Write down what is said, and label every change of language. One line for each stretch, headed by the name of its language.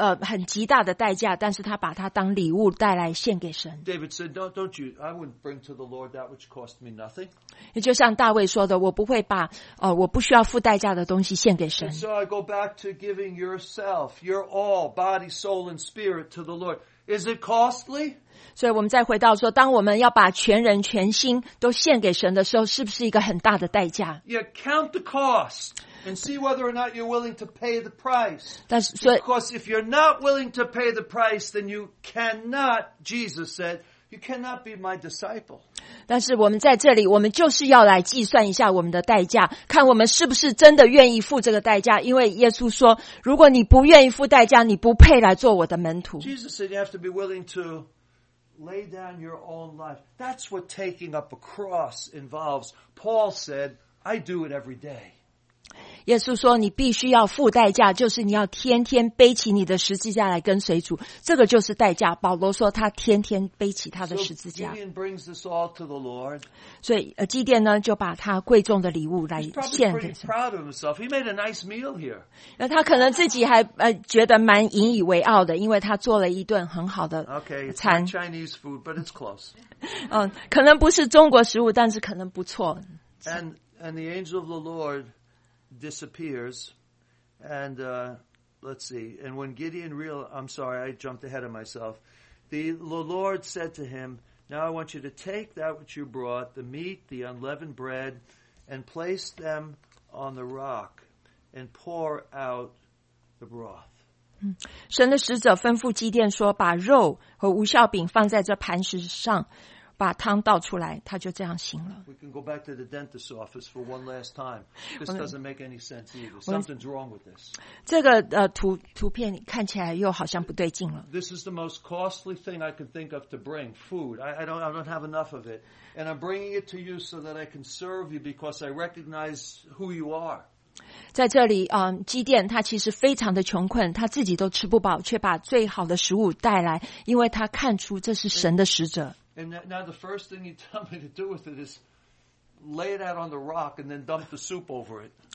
Chinese: 这是一个很极大的代价, 但是他把它当礼物带来献给神。
English: David said, don't you, I wouldn't bring to the Lord that which cost me nothing.
Chinese: 也就像大卫说的, 我不会把, 我不需要付代价的东西献给神。
English: And so I go back to giving yourself, your all, body, soul, and spirit to the Lord. Is it costly?
Chinese: 所以我们再回到说, 当我们要把全人全心都献给神的时候, 是不是一个很大的代价?
English: Yeah, count the cost. And see whether or not you're willing to pay the price. Because if you're not willing to pay the price, then you cannot, Jesus said, you cannot be my disciple.
Chinese: 但是我们在这里, 我们就是要来计算一下我们的代价, 看我们是不是真的愿意付这个代价, 因为耶稣说, 如果你不愿意付代价, 你不配来做我的门徒。
English: Jesus said you have to be willing to lay down your own life. That's what taking up a cross involves. Paul said, I do it every day.
Chinese: 耶稣说你必须要付代价, 就是你要天天背起你的十字架来跟随主, 这个就是代价, 保罗说他天天背起他的十字架。
English: So Gideon brings this all to the Lord.
Chinese: 所以基甸呢, 就把他贵重的礼物来献给神。
English: He's probably pretty proud of himself. He made a nice meal here.
Chinese: 他可能自己还, 觉得蛮引以为傲的, 因为他做了一顿很好的餐。
English: Okay, it's not Chinese food, but it's close.
Chinese: 可能不是中国食物, 但是可能不错。
English: And the angel of the Lord disappears, and let's see, and when Gideon realized, I'm sorry, I jumped ahead of myself, the Lord said to him, now I want you to take that which you brought, the meat, the unleavened bread, and place them on the rock, and pour out the broth.
Chinese: 神的使者吩咐基甸说, 把肉和无酵饼放在这磐石上, 把汤倒出来, 他就这样行了。
English: We can go back to the dentist's office for one last time. This doesn't make any sense either. Something's wrong with this.
Chinese: 这个, 图片看起来又好像不对劲了。
English: This is the most costly thing I can think of to bring, food. I don't have enough of it. And I'm bringing it to you so that I can serve you because I recognize who you are.
Chinese: 在这里, 基甸他其实非常的穷困, 他自己都吃不饱, 却把最好的食物带来, 因为他看出这是神的使者。
English: And now the first thing you tell me to do with it is lay it out on the rock and then dump the soup over it.